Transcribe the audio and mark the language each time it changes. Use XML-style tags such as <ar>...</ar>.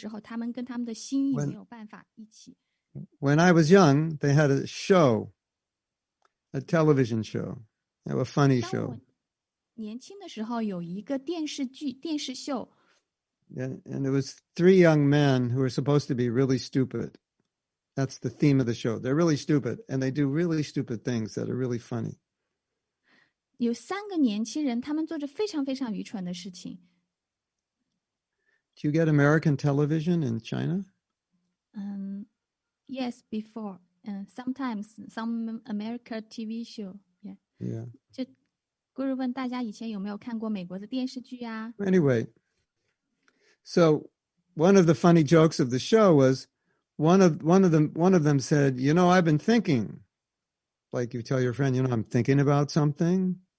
<zh>所以在这个封锁期间，有些人他们很不喜欢，因为封锁期间就只能独自一人。这个时候，他们跟他们的心意没有办法一起。</zh> <en>When I was young, they had a show, a television show, they have a funny show.</en> <zh>当我年轻的时候，有一个电视剧、电视秀。</zh> <en>And it was three young men who were supposed to be really stupid. That's the theme of the show. They're really stupid, and they do really stupid things that are really funny.</en> <zh>有三个年轻人，他们做着非常非常愚蠢的事情。</zh> <en>Do you get American television in China? Yes, before. Sometimes, some American TV show. Yeah. Yeah.</en> <zh>就，Guru问大家以前有没有看过美国的电视剧啊？</zh> <en>Anyway, so one of the funny jokes of the show was one of them said, you know, I've been thinking. Like you tell your friend, you know, I'm thinking about something.</en>